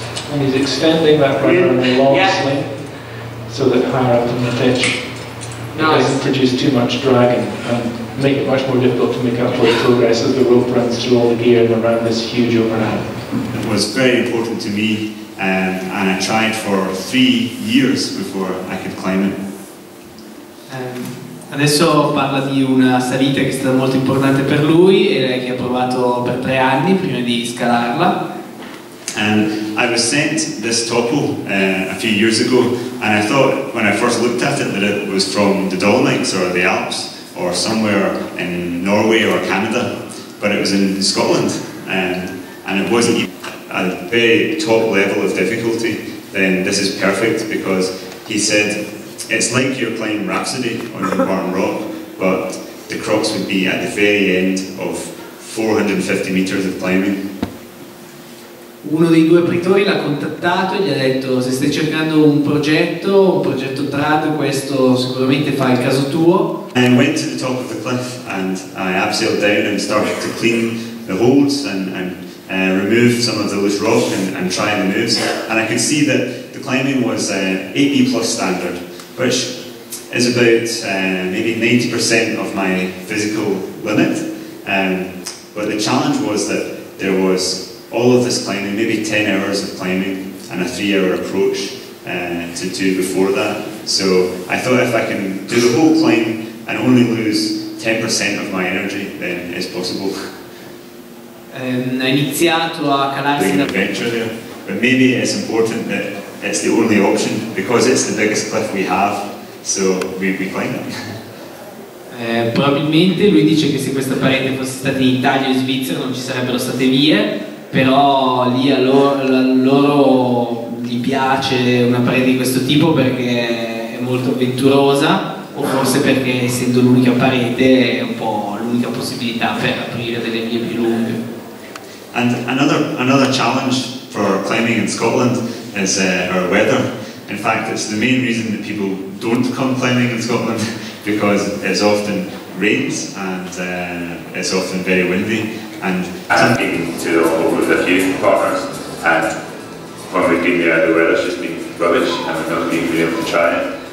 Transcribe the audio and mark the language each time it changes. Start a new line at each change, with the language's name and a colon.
English: And he's extending that rudder on a long sling so that higher up in the pitch doesn't produce too much drag and make it much more difficult to make up for the progress as the rope runs through all the gear and around this huge overhang. It was very important to me, and I tried for 3 years before I could climb it.
Italian: Adesso parla di una salita che è stata molto importante per lui e che ha provato per 3 anni prima di scalarla.
English: And I was sent this topo a few years ago, and I thought when I first looked at it that it was from the Dolomites or the Alps or somewhere in Norway or Canada, but it was in Scotland, and it wasn't even at a very top level of difficulty. Then this is perfect, because he said it's like you're playing Rhapsody on Warm Rock, but the crux would be at the very end of 450 meters of climbing.
Italian: Uno dei due pretori l'ha contattato e gli ha detto: se stai cercando un progetto trad, questo sicuramente fa il caso tuo.
English: I went to the top of the cliff and I abseiled down and started to clean the holds and remove some of the loose rock and try the moves. And I could see that the climbing was 8B plus standard, which is about maybe 90% of my physical limit. But the challenge was that there was all of this climbing, maybe 10 hours of climbing and a 3 hour approach to do before that. So I thought if I can do the whole climb and only lose 10% of my energy, then it's possible.
Italian: Ha iniziato a calarsi
English: da adventure there. But maybe it's important that it's the only option because it's the biggest cliff we have, so we climb it.
Italian: Probabilmente lui dice che se questa parete fosse stata in Italia o in Svizzera non ci sarebbero state vie. Però lì a loro gli piace una parete di questo tipo perché è molto avventurosa, o forse perché essendo l'unica parete è un po' l'unica possibilità per aprire delle vie più lunghe.
English: And another challenge for climbing in Scotland is our weather. In fact, it's the main reason that people don't come climbing in Scotland, because it's often rains and it's often very windy. And I've been to the hole with a few partners, and when we've been there, the weather's just been rubbish, and we've not been able to try it.